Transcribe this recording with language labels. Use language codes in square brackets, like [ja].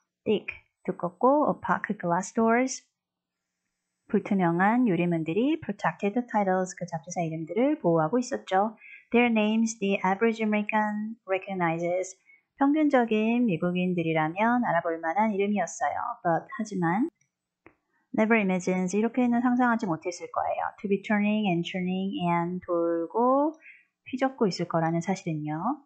[ko] Thick, 두껍고 [en] opaque glass doors, [ko] 불투명한 유리문들이 [en] protected titles, [ko] 그 잡지사 이름들을 보호하고 있었죠. [en] Their names the average American recognizes. [ko] 평균적인 미국인들이라면 알아볼 만한 이름이었어요. But, 하지만, [en] never imagines, [ko] 이렇게는 상상하지 못했을 거예요. [en] To be turning and turning and [ko] 돌고 휘젓고 있을 거라는 사실은요.